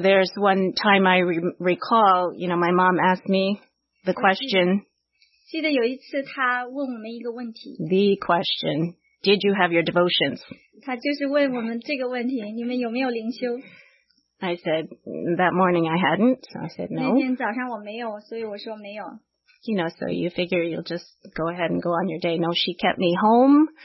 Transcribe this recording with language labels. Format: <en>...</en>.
<en>there's one time I recall, you know, my mom asked me the question.</en> <zh>记得有一次她问我们一个问题。</zh> <en>The question, did you have your devotions?</en> <zh>她就是问我们这个问题，你们有没有灵修？</zh> <en>I said, that morning I hadn't, so I said no.</en> <zh>那天早上我没有，所以我说没有。</zh> <en>You know, so you figure you'll just go ahead and go on your day. No, she kept me home.</en>